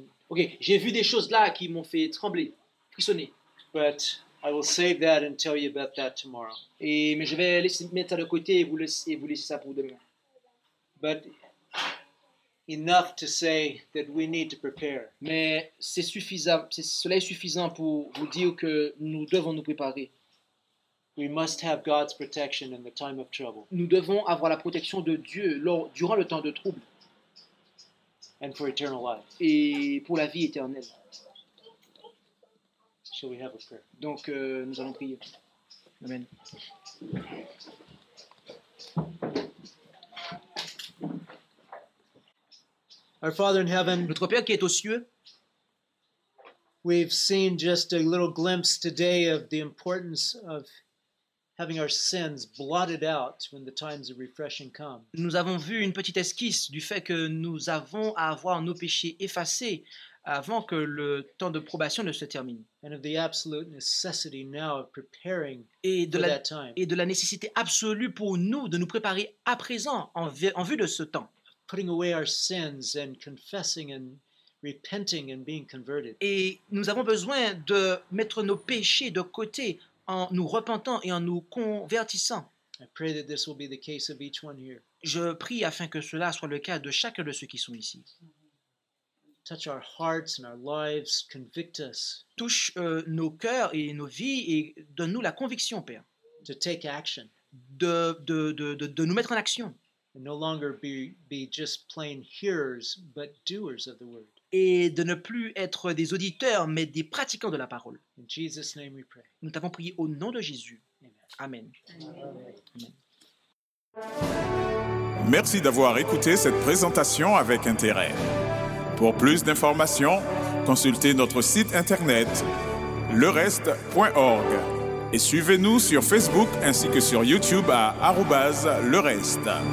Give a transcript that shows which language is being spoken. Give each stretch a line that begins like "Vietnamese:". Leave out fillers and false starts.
French: Okay, j'ai vu des choses là qui m'ont fait trembler, frissonner.
English: But I will save that and tell you about that tomorrow.
French: Mais je vais laisser mettre ça de côté et vous laisser ça pour demain.
English: But enough to say that we need to prepare.
French: Mais cela est suffisant pour vous dire que nous devons nous préparer.
English: We must have God's protection in the time of trouble.
French: Nous devons avoir la protection de Dieu durant le temps de trouble.
English: And for eternal life.
French: Et pour la vie éternelle.
English: Shall we have a prayer?
French: Donc nous allons prier. Amen.
English: Our Father in heaven,
French: notre Père qui est aux cieux,
English: we've seen just a little glimpse today of the importance of having our sins blotted out when the times of refreshing come.
French: Nous avons vu une petite esquisse du fait que nous avons à avoir nos péchés effacés avant que le temps de probation ne se termine.
English: And of the absolute necessity now of preparing for that time.
French: Et de la nécessité absolue pour nous de nous préparer à présent en vue de ce temps.
English: Putting away our sins and confessing and repenting and being converted.
French: Et nous avons besoin de mettre nos péchés de côté en nous repentant et en nous convertissant.
English: I pray that this will be the case of each one here.
French: Je prie afin que cela soit le cas de chacun de ceux qui sont ici.
English: Touch our hearts and our lives, convict us.
French: Touche nos cœurs et nos vies et donne-nous la conviction, Père.
English: To take action.
French: De nous mettre en action.
English: No longer be just plain hearers, but doers of the word.
French: Et de ne plus être des auditeurs, mais des pratiquants de la parole.
English: In Jesus' name we pray.
French: Nous t'avons prié au nom de Jésus.
English: Amen.
French: Amen. Merci d'avoir écouté cette présentation avec intérêt. Pour plus d'informations, consultez notre site internet lereste.org et suivez-nous sur Facebook ainsi que sur YouTube à @lereste.